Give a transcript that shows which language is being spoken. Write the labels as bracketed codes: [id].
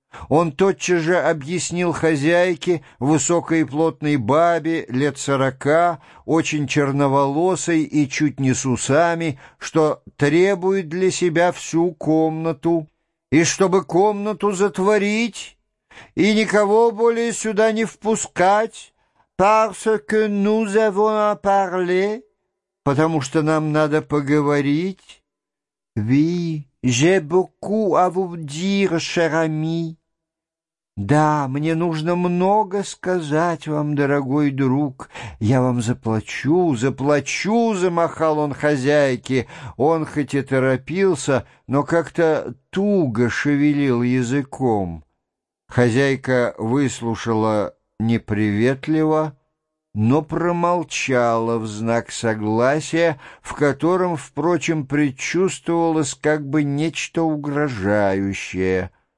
[ru] Он тотчас же объяснил хозяйке, высокой и плотной бабе, лет 40, очень черноволосой и чуть не с усами, что требует для себя всю комнату, и чтобы комнату затворить, и никого более сюда не впускать, [fr] parce que nous avons à parler, [ru] потому что нам надо поговорить. [fr] Oui, j'ai beaucoup à vous dire, cher ami. [ru] Да, мне нужно много сказать вам, дорогой друг. Я вам заплачу, замахал он хозяйке. Он хоть и торопился, но как-то туго шевелил языком. Хозяйка выслушала неприветливо, но промолчала в знак согласия, в котором, впрочем, предчувствовалось как бы нечто угрожающее.